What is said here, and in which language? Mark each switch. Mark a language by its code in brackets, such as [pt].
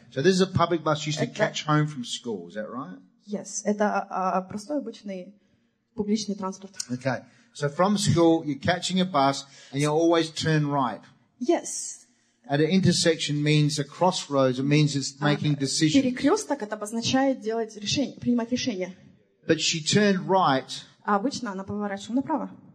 [en] So this is a public bus used to catch home from school, is that right? Yes, [ru] это простой обычный публичный транспорт. [en] Okay. So from school you're catching a bus and you always turn right. Yes. At an intersection means a crossroads, it means it's making decisions. [ru] Перекрёсток это обозначает делать решение, принимать решение. [en] But she turned right. [ru] Обычно она поворачивала направо.